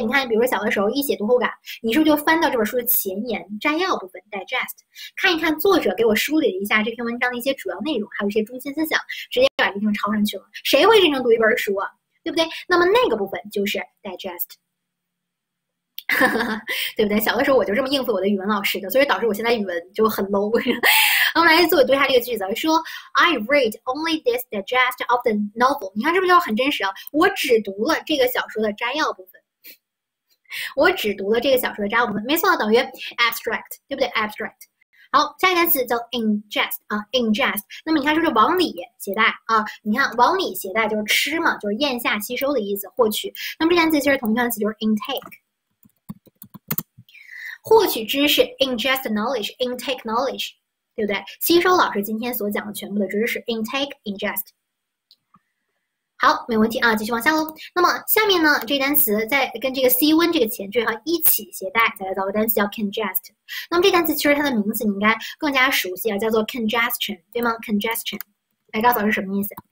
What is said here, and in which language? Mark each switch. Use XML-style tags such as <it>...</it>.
<zh>你看，比如说小的时候一写读后感，你是不是就翻到这本书的前言摘要部分 digest，看一看作者给我梳理了一下这篇文章的一些主要内容，还有一些中心思想，直接把这篇抄上去了。谁会认真读一本书啊？对不对？那么那个部分就是 digest。哈哈哈，对不对？小的时候我就这么应付我的语文老师的，所以导致我现在语文就很 low。我们来做对下这个句子，说</zh> <en>I read only this digest of the novel。</en> <zh>你看是不是就很真实啊？我只读了这个小说的摘要部分，我只读了这个小说的摘要部分，没错，等于 abstract，对不对？abstract。好，下一个词叫 ingest 啊，ingest。那么你看，就是往里携带啊。你看，往里携带就是吃嘛，就是咽下吸收的意思，获取。那么这两词其实同义词，就是 intake。获取知识，</zh> <en>ingest knowledge, intake knowledge，</en> <zh>对不对？吸收老师今天所讲的全部的知识，intake, ingest。好，没问题啊，继续往下喽。那么下面呢，这单词在跟这个 see 温这个前缀哈一起携带，再来造个单词叫 congest。那么这单词其实它的名字你应该更加熟悉啊，叫做 congestion，对吗？congestion，来告诉老师什么意思？</zh>